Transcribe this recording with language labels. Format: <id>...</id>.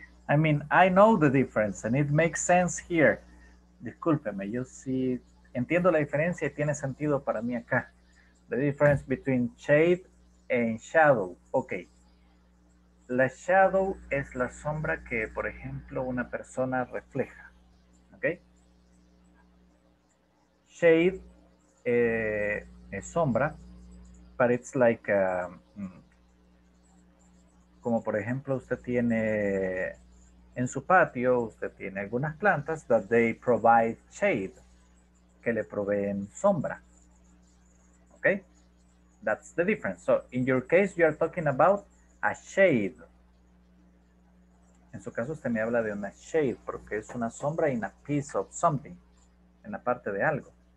<en>I mean, I know the difference and it makes sense here.</en> <es>Discúlpeme, yo sí entiendo la diferencia y tiene sentido para mí acá.</es> <en>The difference between shade and shadow. Okay.</en> <es>La shadow es la sombra que, por ejemplo, una persona refleja.</es> <en>Okay.</en> <es>Shade es sombra,</es> <en>but it's like,</en> <es>como por ejemplo, usted tiene en su patio, usted tiene algunas plantas</es> <en>that they provide shade,</en> <es>que le proveen sombra.</es> <en>Okay. That's the difference. So, in your case, you are talking about a shade.</en> <es>En su caso, usted me habla de una shade, porque es una sombra</es> <en>in a piece of something,</en> <es>en la parte de algo.</es>